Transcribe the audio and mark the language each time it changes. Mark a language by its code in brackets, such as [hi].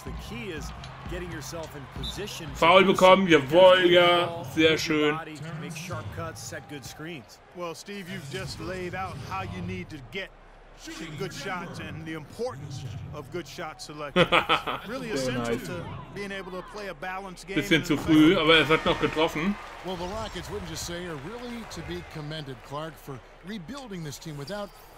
[en] The key is getting yourself in position. [de] Foul bekommen, jawohl, ja, sehr schön. [en] Make sharp cuts, set good screens. Well, Steve, you've just laid out how you need to get shooting good shots and the importance of good shot selection. Really essential nice. To being able to play a balanced game. [de] Bisschen zu früh, aber es hat noch getroffen. [en] Well, the Rockets, wouldn't you say, are really to be commended, Clark, for rebuilding this team without